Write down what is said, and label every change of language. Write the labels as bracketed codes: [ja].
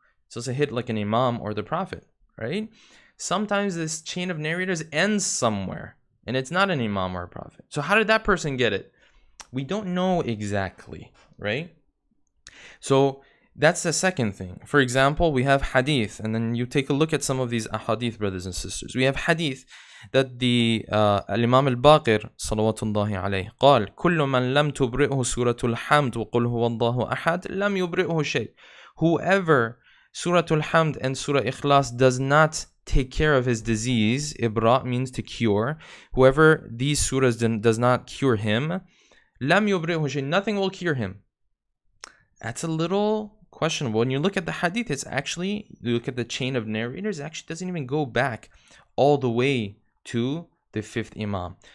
[en] It's supposed to hit like an imam or the prophet, right? Sometimes this chain of narrators ends somewhere, and it's not an imam or a prophet. So how did that person get it? We don't know exactly, right? So that's the second thing. For example, we have hadith, and then you take a look at some of these ahadith, brothers and sisters. We have hadith that the Imam al-Baqir, salawatullahi alayhi, [ar] قال, كُلُّ مَنْ لَمْ تُبْرِئُهُ سُورَةُ الْحَمْدُ وَقُلْ هُوَ اللَّهُ أَحَدُ لَمْ يُبْرِئُهُ شَيْءٍ. [en] Whoever Surah al-Hamd and Surah Ikhlas does not take care of his disease, Ibra means to cure, whoever these surahs does not cure him, [ar] لَمْ يُبْرِئُهُ شَيْءٍ, [en] nothing will cure him. That's a little questionable. When you look at the hadith, it's actually, you look at the chain of narrators, it actually doesn't even go back all the way to the fifth imam.